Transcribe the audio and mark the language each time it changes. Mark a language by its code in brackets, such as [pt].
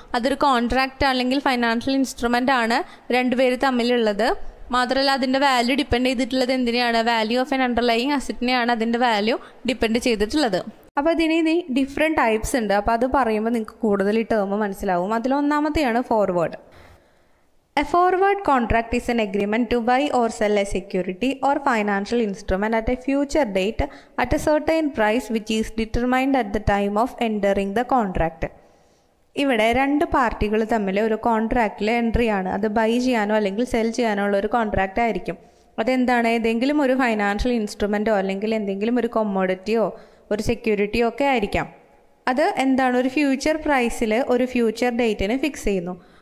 [ml] അതൊരു കോൺട്രാക്റ്റ് അല്ലെങ്കിൽ financial instrument ആണ് രണ്ടുപേര് തമ്മിലുള്ളത്. മാത്രമല്ല അതിൻ്റെ വാല്യൂ ഡിപ്പെൻഡ് ചെയ്തിട്ടുള്ളത് എന്തിനെയാണ്, [en] value of an underlying [ml] അസറ്റിനെയാണ് അതിൻ്റെ വാല്യൂ ഡിപ്പെൻഡ് ചെയ്തിട്ടുള്ളത്. അപ്പോൾ ഇതിന് ഇനി ഡിഫറെൻ്റ് ടൈപ്സ് ഉണ്ട്. അപ്പോൾ അത് പറയുമ്പോൾ നിങ്ങൾക്ക് കൂടുതൽ ഈ ടേം മനസ്സിലാവും. അതിലൊന്നാമത്തെയാണ് forward. [en] A forward contract is an agreement to buy or sell a security or financial instrument at a future date at a certain price which is determined at the time of entering the contract. [ml] ഇവിടെ രണ്ട് പാർട്ടികൾ തമ്മിൽ ഒരു കോൺട്രാക്റ്റിൽ entry ആണ്. അത് by ചെയ്യാനോ അല്ലെങ്കിൽ cell ചെയ്യാനോ ഉള്ള ഒരു കോൺട്രാക്റ്റ് ആയിരിക്കും. അതെന്താണ്, ഏതെങ്കിലും ഒരു ഫൈനാൻഷ്യൽ ഇൻസ്ട്രുമെൻറ്റോ അല്ലെങ്കിൽ എന്തെങ്കിലും ഒരു കൊമ്മോഡിറ്റിയോ ഒരു സെക്യൂരിറ്റിയോ ഒക്കെ ആയിരിക്കാം. അത് എന്താണ്, ഒരു ഫ്യൂച്ചർ പ്രൈസിൽ ഒരു ഫ്യൂച്ചർ ഡേറ്റിന് ഫിക്സ് ചെയ്യുന്നു.